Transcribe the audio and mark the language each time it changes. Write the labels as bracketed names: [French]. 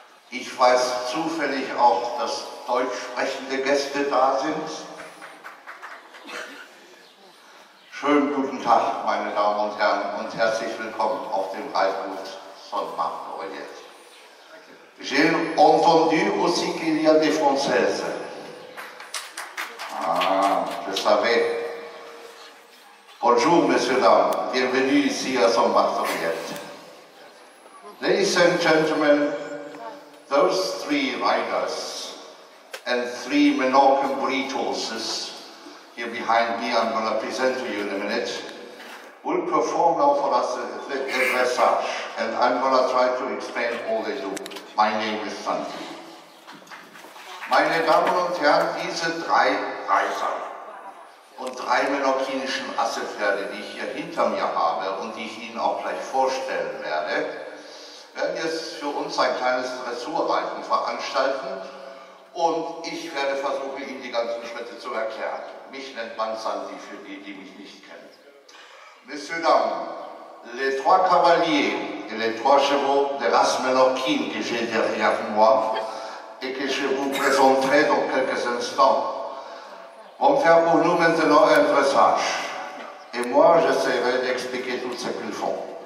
[German] Ich weiß zufällig auch, dass deutsch sprechende Gäste da sind. Schönen guten Tag, meine Damen und Herren, und herzlich willkommen auf dem Reitgut Son Martoriet. [French] J'ai entendu aussi qu'il y a des Françaises. Ah, je savais. Bonjour, messieurs, dames. Bienvenue ici à Son Martoriet. [English] Ladies and gentlemen, those three riders and three Menorcan breed horses here behind me, I'm going to present to you in a minute, will perform now for us the dressage, and I'm going to try to explain all they do. My name is Santi. [German] Meine Damen und Herren, diese drei Reiser und drei menorkinischen Assepferde, die ich hier hinter mir habe und die ich Ihnen auch gleich vorstellen werde, werden jetzt für uns ein kleines Dressurreiten veranstalten und ich werde versuchen, Ihnen die ganzen Schritte zu erklären. Mich nennt man Santi für die, die mich nicht kennen. [French] Messieurs, Damen, les trois cavaliers et les trois chevaux de race menorquine que j'ai derrière moi et que je vous présenterai dans quelques instants vont faire pour nous maintenant un dressage. Et moi, j'essaierai d'expliquer tout ce qu'ils font.